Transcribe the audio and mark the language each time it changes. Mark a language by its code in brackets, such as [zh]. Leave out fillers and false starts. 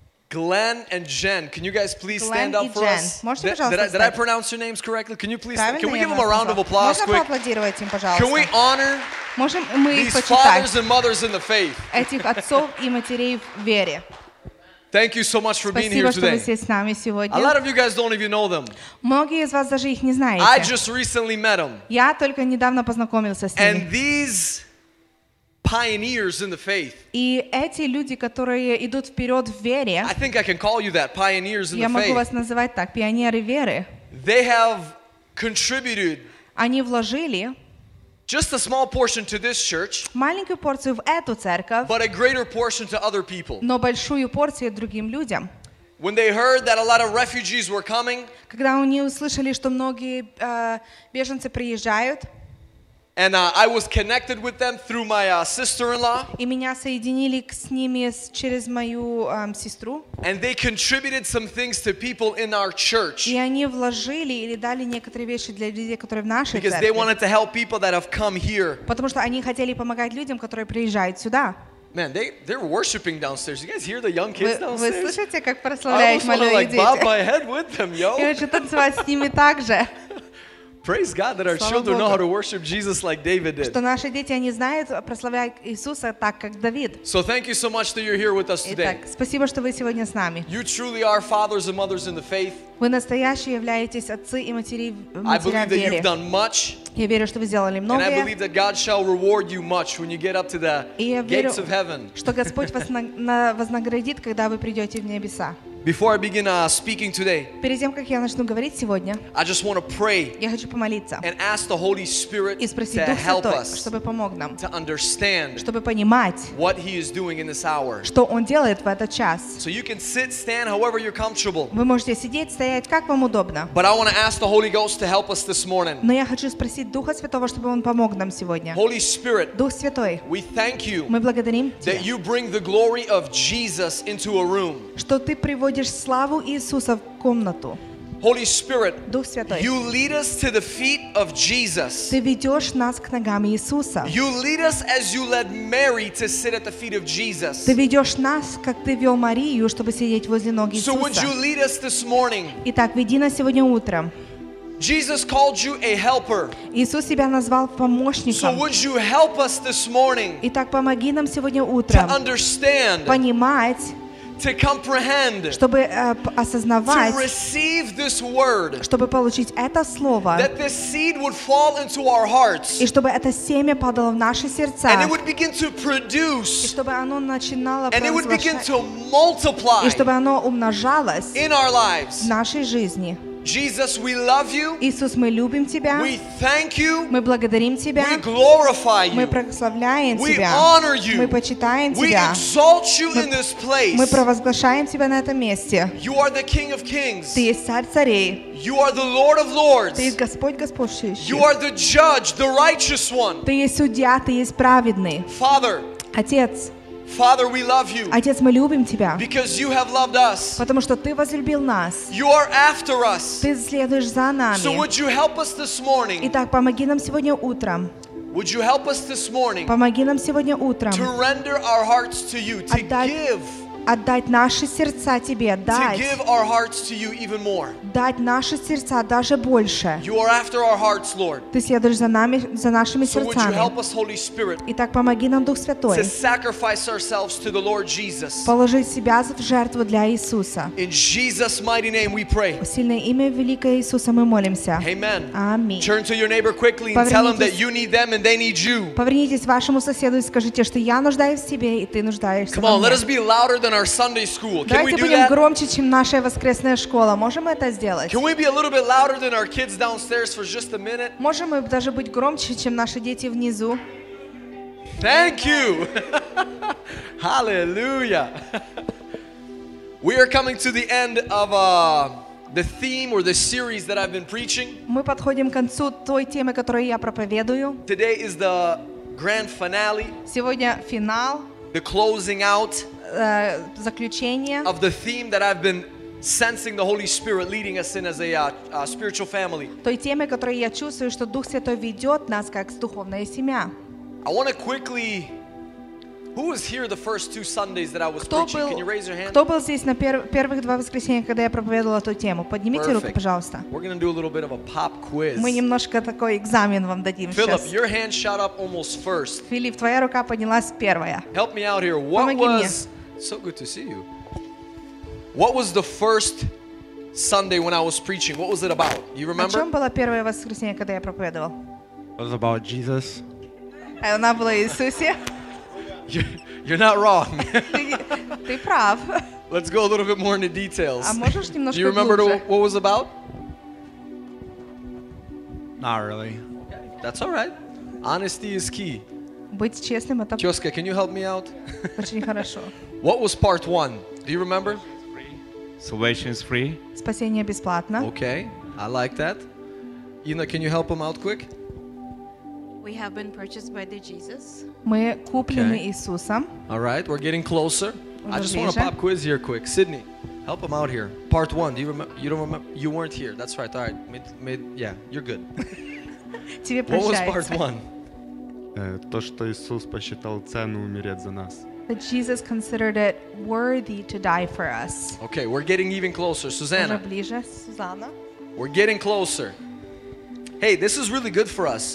[en] Glenn and Jen, can you guys please stand up for us? Did I pronounce your names correctly? Can you please? Can we give them a round of applause, quick? Can we honor these fathers and mothers in the faith? [ru] Этих отцов и матерей в вере. [en] Thank you so much for [ru] Спасибо, [en] being here today. [ru] С нами сегодня. [en] A lot of you guys don't even know them. [ru] Многие из вас даже их не знаете. [en] I just recently met them. [ru] Я только недавно познакомился с ними. [en] And these pioneers in the faith. [ru] И эти люди, которые идут вперед в вере. [en] I think I can call you that, pioneers in the faith. [ru] Я могу вас называть так, пионеры веры. [en] They have contributed. [ru] Они вложили. [en] Just a small portion to this church, [ru] маленькую порцию в эту церковь, [en] but a greater portion to other people. [ru] Но большую порцию другим людям. [en] When they heard that a lot of refugees were coming, [ru] когда они услышали, что многие беженцы приезжают, [en] and I was connected with them through my sister-in-law, [ru] и меня соединили с ними через мою сестру, [en] and they contributed some things to people in our church, [ru] и они вложили или дали некоторые вещи для людей, которые в нашей церкви, [en] because they wanted to help people that have come here, [ru] потому что они хотели помогать людям, которые приезжают сюда. [en] Man, they're worshiping downstairs. You guys hear the young kids downstairs? [ru] Вы слышите, как прославляют молодые дети? [en] I almost want to like bob my head with them, yo. [ru] Я хочу танцевать с ними также. [en] Praise God that our children know how to worship Jesus like David did. [ru] Что наши дети они знают прославлять Иисуса так как Давид. [en] So thank you so much that you're here with us today. [ru] Итак, спасибо, что вы сегодня с нами. [en] You truly are fathers and mothers in the faith. [ru] Вы настоящие являетесь отцы и матери в вере. [en] I believe that you've done much. [ru] Я верю, что вы сделали многое. [en] And I believe that God shall reward you much when you get up to the gates of heaven. [ru] Что Господь вас вознаградит, когда вы придете в небеса. [en] Before I begin speaking today, [ru] перед тем, как я начну говорить сегодня, [en] I just want to pray and ask the Holy Spirit to help us, [ru] чтобы помог нам, [en] to understand, [ru] чтобы понимать, [en] what He is doing in this hour. [ru] Что Он делает в этот час. [en] So you can sit, stand, however you're comfortable. [ru] Вы можете сидеть, стоять, как вам удобно. [en] But I want to ask the Holy Ghost to help us this morning. [ru] Но я хочу спросить Духа Святого, чтобы Он помог нам сегодня. [en] Holy Spirit, [ru] Дух Святой, [en] we thank you, [ru] мы благодарим тебя, [en] that you bring the glory of Jesus into a room. [ru] Что ты приводишь славу Иисуса в комнату. [en] Holy Spirit, [ru] Дух Святой, [en] you lead us to the feet of Jesus. [ru] Ты ведешь нас к ногам Иисуса. [en] You lead us as you led Mary to sit at the feet of Jesus. [ru] Ты ведешь нас, как ты вел Марию, чтобы сидеть возле ног Иисуса. [en] So would you lead us this morning? [ru] Итак, веди нас сегодня утром. [en] Jesus called you a helper. [ru] Иисус себя назвал помощником. [en] So would you help us this morning? [ru] Итак, помоги нам сегодня утром. [en] To understand. [ru] Понимать. [en] To comprehend, [ru] чтобы осознавать, [en] to receive this word, [ru] чтобы получить это слово, [en] that this seed would fall into our hearts, [ru] и чтобы это семя падало в наши сердца, [en] and it would begin to produce, [ru] и чтобы оно начинало [en] and it would begin to multiply, [ru] и чтобы оно умножалось [en] in our lives, [ru] в нашей жизни. [en] Jesus, we love you. [ru] Иисус, мы любим тебя. [en] We thank you. [ru] Мы благодарим тебя. [en] We glorify you. [ru] Мы прославляем тебя. [en] We honor you. [ru] Мы почитаем [en] we [ru] тебя. [en] We exalt you in this place. [ru] Мы провозглашаем тебя на этом месте. [en] You are the King of Kings. [ru] Ты есть царь царей. [en] You are the Lord of Lords. [ru] Ты есть Господь Господствующий. [en] You are the Judge, the Righteous One. [ru] Ты есть судья, ты есть праведный. [en] Father. [ru] Отец. [en] Father, we love you. [ru] Отец, мы любим тебя. [en] Because you have loved us. [ru] Потому что ты возлюбил нас. [en] You are after us. [ru] Ты следуешь за нами. [en] So would you help us this morning? [ru] Итак, помоги нам сегодня утром. [en] Would you help us this morning? [ru] Помоги нам сегодня утром. [en] To render our hearts to you, to give. [ru] Отдать наши сердца тебе, дать. [en] To give our hearts to you even more. [ru] Дать наши сердца даже больше. [en] You are after our hearts, Lord. [ru] Ты следуешь за нами, за нашими сердцами. [en] So would you help us, Holy Spirit? [ru] Итак, помоги нам, Дух Святой. [en] To sacrifice ourselves to the Lord Jesus. [ru] Положить себя в жертву для Иисуса. [en] In Jesus' mighty name we pray. [ru] В сильное имя великое Иисуса мы молимся. [en] Amen. [ru] Аминь. [en] Turn to your neighbor quickly and tell them that you need them and they need you. [ru] Повернитесь к вашему соседу и скажите, что я нуждаюсь в тебе и ты нуждаешься во мне. [en] Come on, let us be louder than our Sunday school. Can [ru] Давайте [en] we do [ru] будем [en] that? [ru] Громче, чем наша воскресная школа. Можем это сделать? [en] Can we be a little bit louder than our kids downstairs for just a minute? [ru] Можем мы даже быть громче, чем наши дети внизу? [en] Thank you. Hallelujah. We are coming to the end of the theme or the series that I've been preaching. [ru] Мы подходим к концу той темы, которую я проповедую. [en] Today is the grand finale. [ru] Сегодня финал. [en] The closing out. [ru] Заключение. [en] Of the theme that I've been sensing the Holy Spirit leading us in as a spiritual family. [ru] Той темы, которую я чувствую, что Дух Святой ведет нас как духовная семья. [en] I want to quickly. Who was here the first two Sundays that I was [ru] Кто [en] preaching? [ru] Был, [en] Can you raise your hand? [ru] Кто был здесь на первых два воскресенья, когда я проповедовала эту тему? Поднимите [en] Perfect. [ru] Руку, пожалуйста. [en] We're going to do a little bit of a pop quiz. [ru] Мы немножко такой экзамен вам дадим сейчас. [en] Philip, your hand shot up almost first. [ru] Филипп, твоя рука поднялась первая. [en] Help me out here. What [ru] Помоги [en] was [ru] мне. [en] So good to see you. What was the first Sunday when I was preaching? What was it about? You remember? [ru] О чем было первое воскресенье, когда я проповедовал? [en] It was about Jesus. [ru] Она была Иисусе. [en] You're not wrong. [ru] Ты прав. [en] Let's go a little bit more into details. [ru] А можешь немножко [en] Do you remember [ru] глубже? [en] What was about? Not really. That's all right. Honesty is key. [ru] Быть честным это. [en] Чёска, can you help me out? [ru] Очень хорошо. [en] What was part one? Do you remember? Salvation is free. [ru] Спасение бесплатно. [en] Okay, I like that. Ina, can you help him out quick? We have been purchased by the Jesus. [ru] Мы куплены Иисусом. [en] All right, we're getting closer. [ru] Уже [en] I just [ru] ближе. [en] Want to pop quiz here quick. Sydney, help him out here. Part one. Do you remember? You don't remember? You weren't here. That's right. All right. Yeah, you're good. [ru] Тебе [en] What was part one? [ru] То, что Иисус посчитал цену умереть за нас. [en] That Jesus considered it worthy to die for us. Okay, we're getting even closer. Susanna. [ru] Уже ближе, Сузанна. [en] We're getting closer. Hey, this is really good for us.